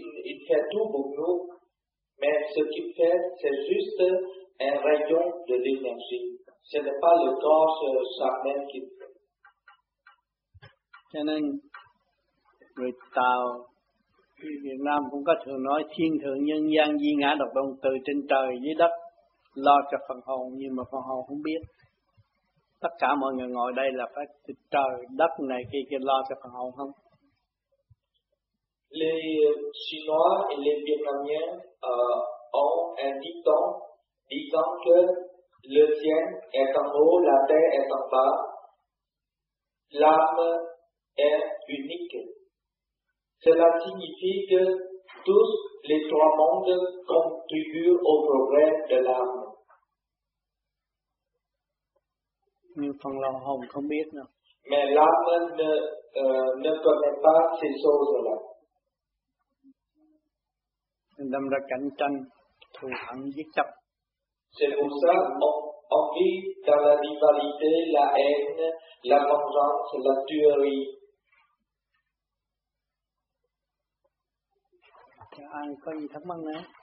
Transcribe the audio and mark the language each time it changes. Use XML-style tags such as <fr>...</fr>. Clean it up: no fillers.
<fr>Il fait tout pour nous. Mais ce qu'il fait, c'est juste un rayon de l'énergie. Ce n'est pas le corps charnel qui le fait.</fr> <vi>Cho nên người Tàu Việt Nam cũng có thường nói thiên thượng nhân gian duy ngã độc tôn, từ trên trời dưới đất lo cho phần hồn, nhưng mà phần hồn không biết. Tất cả mọi người ngồi đây là phải từ trời đất này kia lo cho phần hồn không?</vi> <fr>Les Chinois et les Vietnamiens ont un dicton disant que le ciel est en haut, la terre est en bas, l'âme est unique. Cela signifie que tous les trois mondes contribuent au progrès de l'âme.</fr> <vi>Nhưng phần lòng hồn không biết nữa.</vi> <fr>Mais l'âme ne connaît pas ces choses-là.</fr> <vi>Đâm ra cạnh tranh, thù hận giết chóc.</vi> <fr>C'est pour ça qu'on vit dans la rivalité, la haine, la vengeance, la tuerie.</fr> <vi>Ai có gì thắc mắc nữa?</vi>